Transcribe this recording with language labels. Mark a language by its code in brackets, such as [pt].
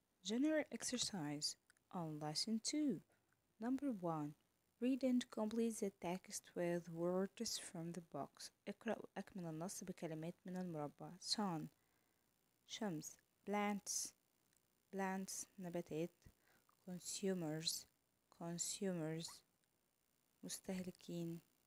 [en] General exercise on lesson 2. Number 1. Read and complete the text with words from the box. [ar] اقرأ وأكمل النص بكلمات من المربع. [en] Sun, شمس. Plants, نباتات. Consumers, مستهلكين.